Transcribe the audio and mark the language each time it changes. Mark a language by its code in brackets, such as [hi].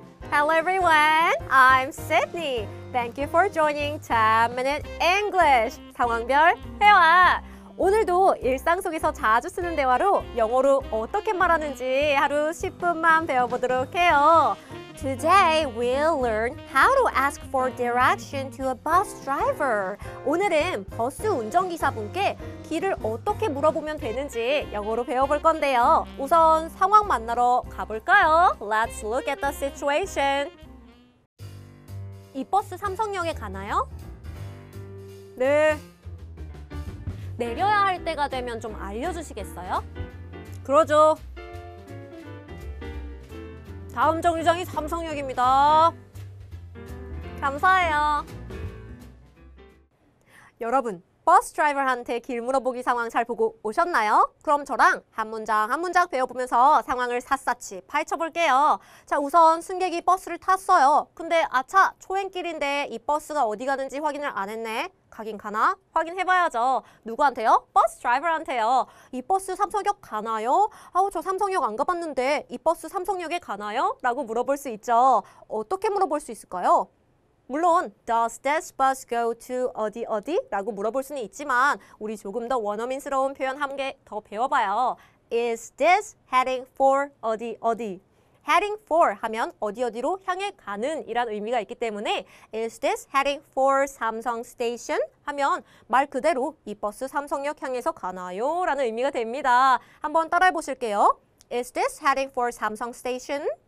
[en] Hello everyone, I'm Sydney. Thank you for joining 10 Minute English. [ko] 상황별 회화. 오늘도 일상 속에서 자주 쓰는 대화로 영어로 어떻게 말하는지 하루 10분만 배워보도록 해요. [en] Today we'll learn how to ask for direction to a bus driver. [ko] 오늘은 버스 운전기사분께 길을 어떻게 물어보면 되는지 영어로 배워볼 건데요. 우선 상황 만나러 가볼까요? [en] Let's look at the situation. [ko] 이 버스 삼성역에 가나요? 네. 내려야 할 때가 되면 좀 알려주시겠어요? 그러죠. 다음 정류장이 삼성역입니다. 감사해요. 여러분, 버스 드라이버한테 길 물어보기 상황 잘 보고 오셨나요? 그럼 저랑 한 문장 한 문장 배워보면서 상황을 샅샅이 파헤쳐볼게요. 자, 우선 승객이 버스를 탔어요. 근데 아차, 초행길인데 이 버스가 어디 가는지 확인을 안 했네. 가긴 가나? 확인해봐야죠. 누구한테요? 버스 드라이버한테요. 이 버스 삼성역 가나요? 아우, 저 삼성역 안 가봤는데 이 버스 삼성역에 가나요? 라고 물어볼 수 있죠. 어떻게 물어볼 수 있을까요? [en] 물론 Does this bus go to [ko] 어디 어디? 라고 물어볼 수는 있지만 우리 조금 더 원어민스러운 표현 한 개 더 배워봐요. [en] Is this heading for [ko] 어디 어디? [en] Heading for [ko] 하면 어디 어디로 향해 가는 이란 의미가 있기 때문에 [en] Is this heading for 삼성 station? [ko] 하면 말 그대로 이 버스 삼성역 향해서 가나요? 라는 의미가 됩니다. 한번 따라해 보실게요. [en] Is this heading for 삼성 station?